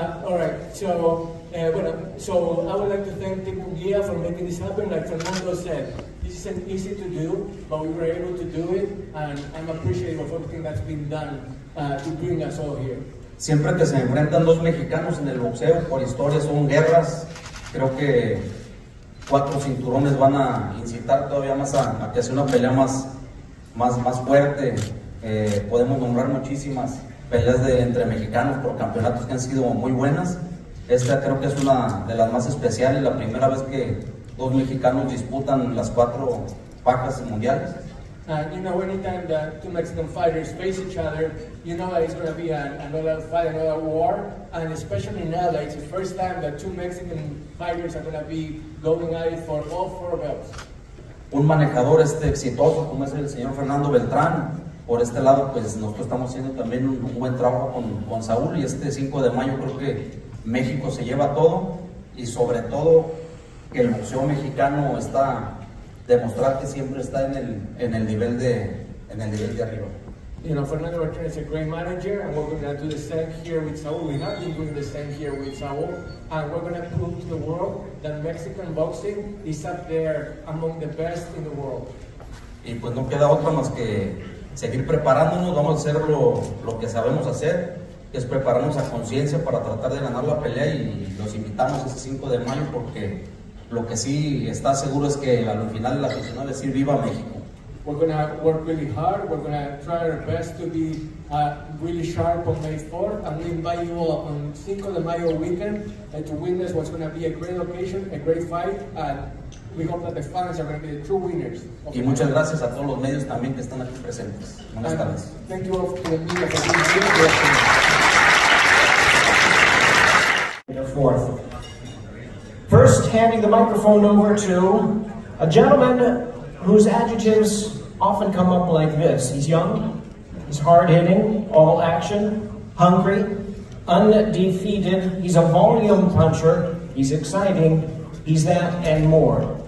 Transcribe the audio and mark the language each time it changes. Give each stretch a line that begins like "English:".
English: So I would like to thank Team Munguia for making this happen. Like Fernando said, this isn't easy to do, but we were able to do it, and I'm appreciative of everything that's been done to bring us all here.
Spanish: Siempre que se enfrentan dos mexicanos en el boxeo, por historia son guerras. Creo que cuatro cinturones van a incitar todavía más a que sea una pelea más fuerte. Podemos nombrar muchísimas peleas entre mexicanos por campeonatos que han sido muy buenas. Esta creo que es una de las más especiales, la primera vez que dos mexicanos disputan las cuatro pacas mundiales.
English: You know, anytime that two Mexican fighters face each other, you know it's going to be another fight, another war. And especially now, like, it's the first time that two Mexican fighters are going to be going at it for all four belts.
Spanish: Un manejador exitoso como es el señor Fernando Beltrán. Por este lado, pues nosotros estamos haciendo también un buen trabajo con Saul. Y 5 de mayo creo que México se lleva todo, y sobre todo que el boxeo mexicano está demostrando que siempre está en el nivel de arriba.
English: You know, Fernando Beltrán is a great manager, and we're going to do the same here with Saul. We have been doing the same here with Saul, and we're going to prove to the world that Mexican boxing is up there among the best in the world.
Spanish: Y pues no queda otra más que seguir preparándonos. Vamos a hacer lo que sabemos hacer, es prepararnos a conciencia para tratar de ganar la pelea, y los invitamos ese 5 de mayo, porque lo que sí está seguro es que al final la afición va a decir viva México.
English: We're going to work really hard, we're going to try our best to be really sharp on May 4th, and we invite you all on 5 de mayo weekend to witness what's going to be a great occasion, a great fight, and we hope that the fans are going to be the true winners.
Spanish: Y muchas gracias a todos los medios también que están aquí presentes. Buenas tardes.
English: Thank you all for the media for being here. May 4th. First, handing the microphone over to a gentleman whose adjectives often come up like this. He's young, he's hard-hitting, all-action, hungry, undefeated, he's a volume puncher, he's exciting, he's that and more.